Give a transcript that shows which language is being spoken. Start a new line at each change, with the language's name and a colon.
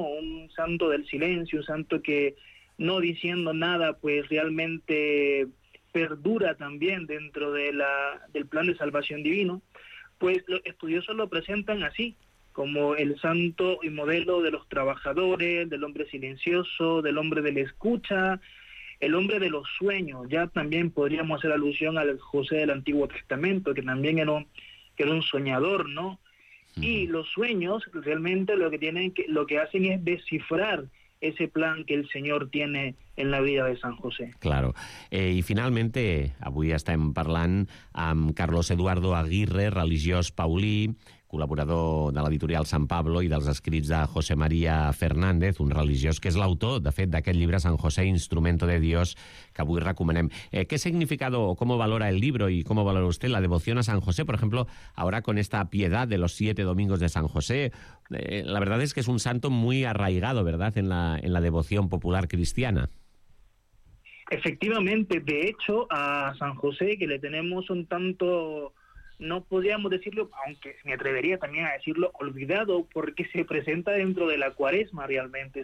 Spanish: Un santo del silencio, un santo que no diciendo nada, pues realmente perdura también dentro de del plan de salvación divino, pues los estudiosos lo presentan así, como el santo y modelo de los trabajadores, del hombre silencioso, del hombre de la escucha, el hombre de los sueños. Ya también podríamos hacer alusión al José del Antiguo Testamento, que también era un soñador, ¿no? Sí. Y los sueños realmente lo que hacen es descifrar ese plan que el Señor tiene en la vida de San José. Claro.
Catalan: I finalment, avui estem parlant amb Carlos Eduardo Aguirre, religiós paulí, col·laborador de l'editorial San Pablo i dels escrits de José María Fernández, un religiós que és l'autor, de fet, d'aquest llibre San José, Instrumento de Dios, que avui recomanem.
Spanish: ¿Qué significado o cómo valora el libro y cómo valora usted la devoción a San José? Por ejemplo, ahora con esta piedad de los 7 domingos de San José, la verdad es que es un santo muy arraigado, ¿verdad?, en la devoción popular cristiana. Efectivamente, de hecho, a San José, que le tenemos un tanto, no podríamos decirlo, aunque me atrevería también a decirlo, olvidado, porque se presenta dentro de la cuaresma realmente.